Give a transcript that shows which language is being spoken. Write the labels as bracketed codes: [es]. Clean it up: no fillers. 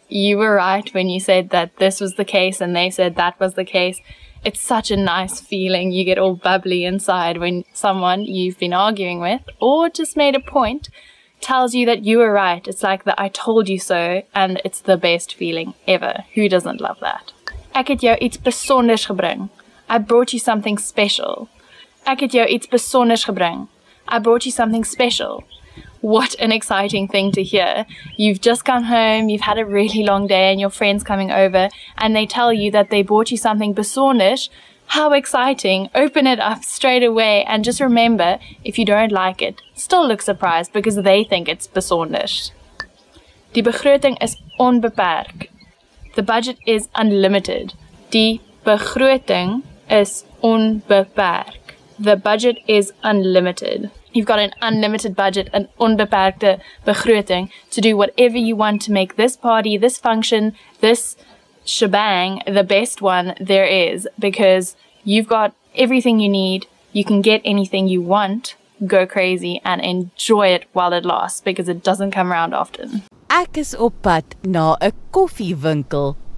[en] You were right when you said that this was the case and they said that was the case. It's such a nice feeling. You get all bubbly inside when someone you've been arguing with or just made a point tells you that you were right. It's like the I told you so, and it's the best feeling ever. Who doesn't love that? [af] Ek het jou iets besonders gebring. [en] I brought you something special. [af] Ek het jou iets besonders gebring. [en] I brought you something special. What an exciting thing to hear. You've just come home, you've had a really long day, and your friend's coming over, and they tell you that they bought you something besonders. How exciting. Open it up straight away, and just remember, if you don't like it, still look surprised, because they think it's besonders. [af] Die begroting is onbeperk. [en] The budget is unlimited. [af] Die begroting is onbeperk. [en] The budget is unlimited. You've got an unlimited budget, an [af] onbeperkte begroting, [en] to do whatever you want to make this party, this function, this shebang, the best one there is, because you've got everything you need, you can get anything you want, go crazy and enjoy it while it lasts, because it doesn't come around often. [af] Ek is op pad na 'n koffiewinkel.